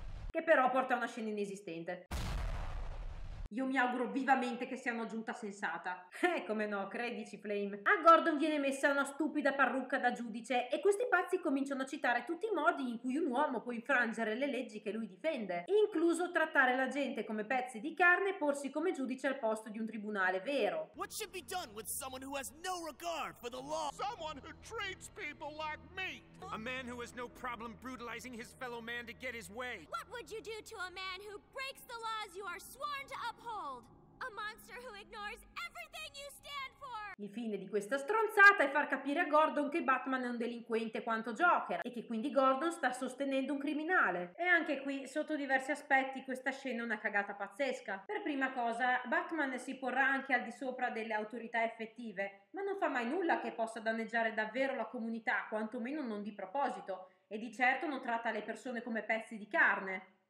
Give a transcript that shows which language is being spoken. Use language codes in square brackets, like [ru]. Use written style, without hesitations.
[it] Che però porta a una scena inesistente. Io mi auguro vivamente che sia una giunta sensata. Come no, credici, Flame. A Gordon viene messa una stupida parrucca da giudice e questi pazzi cominciano a citare tutti i modi in cui un uomo può infrangere le leggi che lui difende, incluso trattare la gente come pezzi di carne e porsi come giudice al posto di un tribunale vero. [en] What should be done with someone who has no regard for the law? Someone who treats people like meat. A man who has no problem brutalizing his fellow man to get his way. What would you do to a man who breaks the laws you are sworn to uphold, a monster who ignores everything you stand for. [it] Il fine di questa stronzata è far capire a Gordon che Batman è un delinquente quanto Joker e che quindi Gordon sta sostenendo un criminale. E anche qui, sotto diversi aspetti, questa scena è una cagata pazzesca. Per prima cosa, Batman si porrà anche al di sopra delle autorità effettive, ma non fa mai nulla che possa danneggiare davvero la comunità, quantomeno non di proposito, e di certo non tratta le persone come pezzi di carne.